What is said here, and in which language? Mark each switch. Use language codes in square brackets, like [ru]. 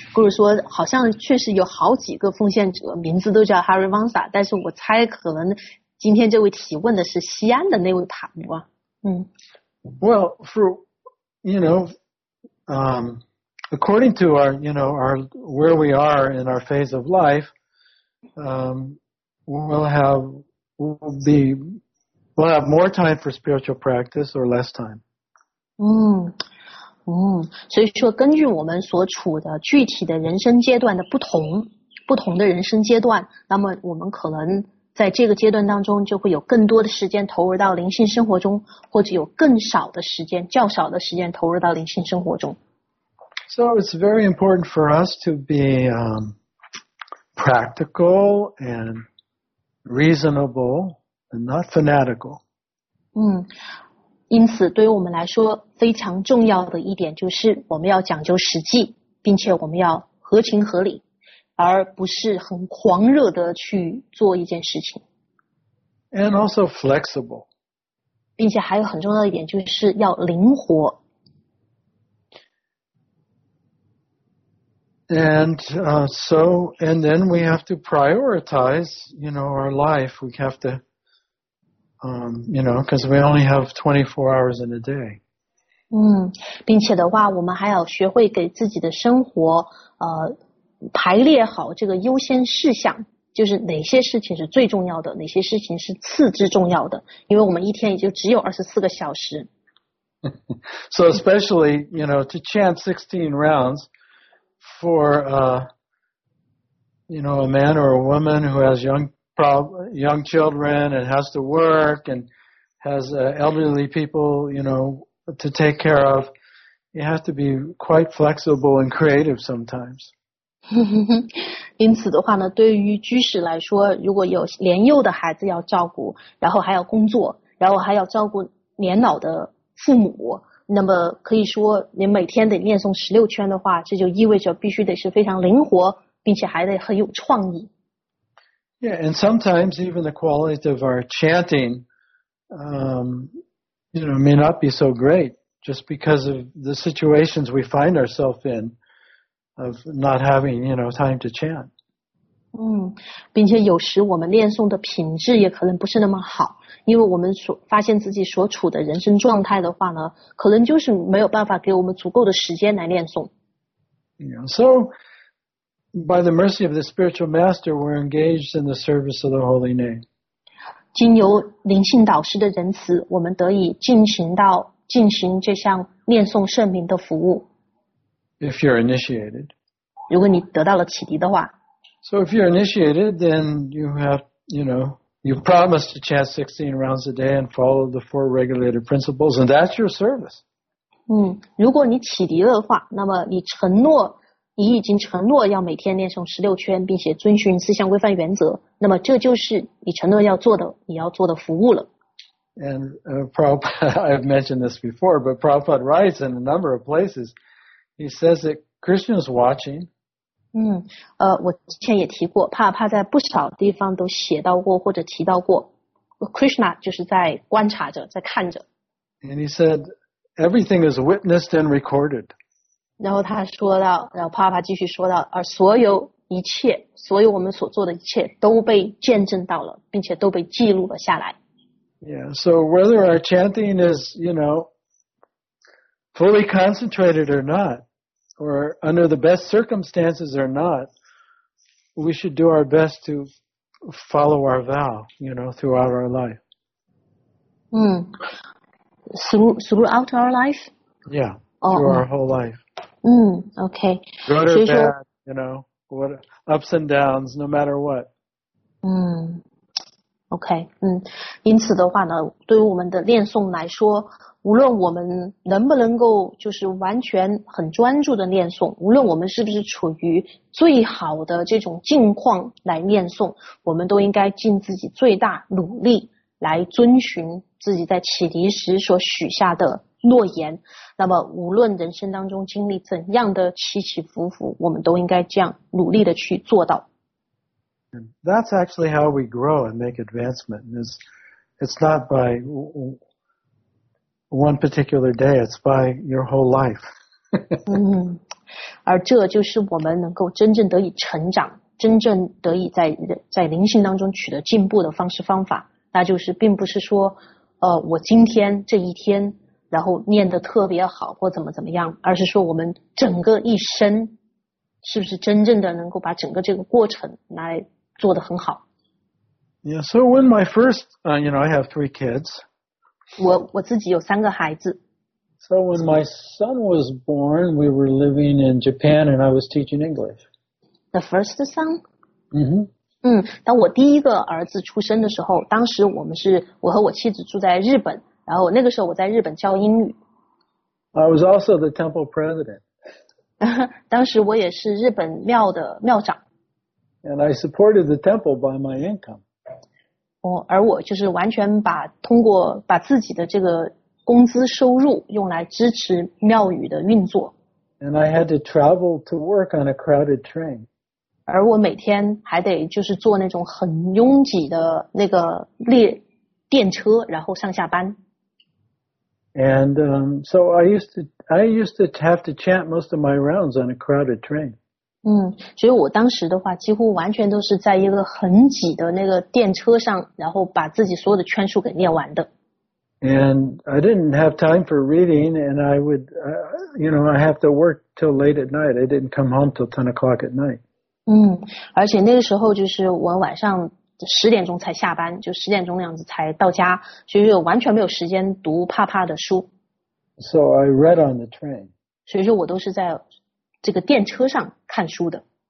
[zh] 故事说好像确实有好几个奉献者名字都叫 Harivansa， 但是我猜可能今天这位提问的是西安的那位帕布啊。 [en] Well, for, you know, according to our, you know, our, where we are in our phase of life, we'll have more time for spiritual practice or less time. [zh] 所以说根据我们所处的具体的人生阶段的不同的人生阶段，那么我们可能在这个阶段当中就会有更多的时间投入到灵性生活中，或者有更少的时间，较少的时间投入到灵性生活中。 [en] So it's very important for us to be practical and reasonable and not fanatical. [zh] 因此对于我们来说非常重要的一点就是我们要讲究实际，并且我们要合情合理，而不是很狂热的去做一件事情。 [en] And also flexible. [zh] 并且还有很重要的一点就是要灵活。 [en] And, so, and then we have to prioritize, you know, our life. We have to, you know, because we only have 24 hours in a day. [zh] 并且的话我们还要学会给自己的生活排列好这个优先事项，就是哪些事情是最重要的，哪些事情是次之重要的，因为我们一天也就只有24个小时。 [en] So especially, you know, to chant 16 rounds for, you know, a man or a woman who has young children and has to work and has elderly people, you know, to take care of, you have to be quite flexible and creative sometimes. [zh] 因此的话呢，对于居士来说，如果有年幼的孩子要照顾，然后还要工作，然后还要照顾年老的父母，那么可以说你每天得念诵16圈的话，这就意味着必须得是非常灵活，并且还得很有创意。 [en] Yeah, and sometimes even the quality of our chanting, you know, may not be so great just because of the situations we find ourselves in. Of not having, you know, time to chant. [zh] 并且有时我们念诵的品质也可能不是那么好，因为我们所发现自己所处的人生状态的话呢，可能就是没有办法给我们足够的时间来念诵。 [en] Yeah, so, by the mercy of the spiritual master, we're engaged in the service of the holy name. [zh] 经由灵性导师的仁慈，我们得以进行这项念诵圣名的服务。 [en] If you're initiated. [zh] 如果你得到了启迪的话。 [en] So if you're initiated, then you have, you know, you promise to chant 16 rounds a day and follow the four regulated principles, and that's your service. [zh] 如果你启迪了的话，那么你承诺，你已经承诺要每天念诵16圈，并且遵循四项规范原则，那么这就是你承诺要做的，你要做的服务了。 [en] And Prabhupada, I've mentioned this before, but Prabhupada writes in a number of places,He says that Krishna is watching. [zh] 我之前也提过，帕在不少地方都写到过或者提到过 ，Krishna 就是在观察着，在看着。 [en] And he said everything is witnessed and recorded. [zh] 然后他说到，然后帕继续说到，而所有一切，所有我们所做的一切都被见证到了，并且都被记录了下来。 [en] Yeah, so whether our chanting is, you know. Fully concentrated or not, or under the best circumstances or not, we should do our best to follow our vow, you know, throughout our life. Throughout our life? Yeah, through our whole life. Okay. Good or bad, you know, what, ups and downs, no matter what. Okay. [zh] 因此的话呢，对于我们的念诵来说，无论我们能不能够就是完全很专注的念诵，无论我们是不是处于最好的这种境况来念诵，我们都应该尽自己最大努力来遵循自己在启迪时所许下的诺言。那么无论人生当中经历怎样的起起伏伏，我们都应该这样努力的去做到。 [en] That's actually how we grow and make advancement. It's not by... One particular day, it's by your whole life. [zh] 而这就是我们能够真正得以成长，真正得以在灵性当中取得进步的方式方法。那就是并不是说，我今天这一天，然后念得特别好或怎么怎么样，而是说我们整个一生，是不是真正的能够把整个这个过程来做得很好。 [en] Yeah, so when my first, you know, I have three kids. [zh] 我自己有三个孩子。 [en] So when my son was born, we were living in Japan and I was teaching English. The first son? Mm-hmm. [zh] 当我第一个儿子出生的时候，当时我和我妻子住在日本，然后那个时候我在日本教英语。 [en] I was also the temple president. [zh] 当时我也是日本庙的庙长。 [en] And I supported the temple by my income. [zh] 哦，而我就是完全把通过把自己的这个工资收入用来支持庙宇的运作。 [en] And I had to travel to work on a crowded train. [zh] 而我每天还得就是坐那种很拥挤的那个电车，然后上下班。 [en] And so I used to have to chant most of my rounds on a crowded train. [zh] 所以我当时的话几乎完全都是在一个很挤的那个电车上，然后把自己所有的圈数给念完的。 [en] And I didn't have time for reading, and I would, I have to work till late at night. I didn't come home till 10 o'clock at night. [zh] 而且那个时候就是我晚上十点钟才下班，就十点钟那样子才到家，所以就完全没有时间读怕怕的书。 [en] So I read on the train. [zh] 所以说我都是在这个电车上看书的。